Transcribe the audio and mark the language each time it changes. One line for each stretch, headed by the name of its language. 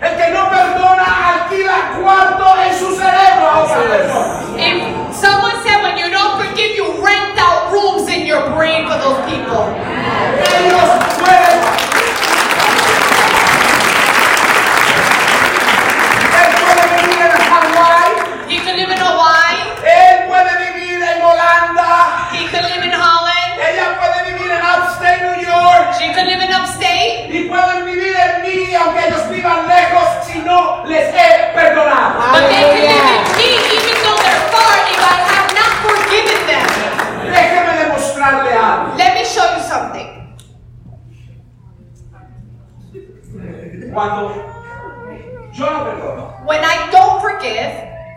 Spanish: El que no perdona alquila cuarto en su cerebro.
English: And someone said, when you don't forgive, you rent out rooms in your brain for those people.
Spanish: Ellos pueden. Él puede vivir en Hawaii.
English: He can live in Hawaii.
Spanish: Él puede vivir en Holanda.
English: He can live in Holland.
Spanish: Ella puede vivir en upstate New York.
English: She can live in upstate.
Spanish: Y pueden vivir en mí aunque ellos vivan lejos si no les he perdonado.
English: But they can live in me even though they're far if I have not forgiven them.
Spanish: Déjeme demostrarle algo.
English: Let me show you something.
Spanish: Cuando yo no perdono.
English: When I don't forgive.